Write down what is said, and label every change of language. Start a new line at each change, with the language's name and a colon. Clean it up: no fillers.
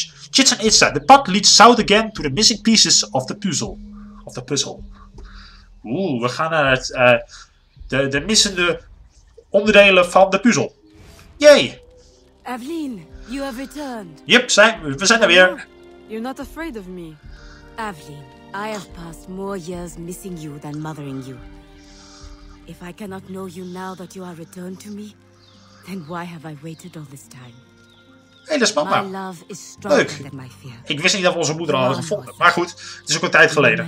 English: Chichen Itza. The path leads south again to the missing pieces of the puzzle. Of the puzzle.
Dutch: Oeh, we gaan naar het, de missende onderdelen van de puzzel. Yay!
English: Evelyn, you have returned.
Dutch: Yep, we zijn er weer.
English: You're not afraid of me. Evelyn, I have passed more years missing you than mothering you. If I cannot know you now that you are returned to me, then why have I waited all this time?
Dutch: Hey, dat is mama. Leuk. Ik wist niet dat we onze moeder al hadden gevonden. Maar goed, het is ook een tijd geleden.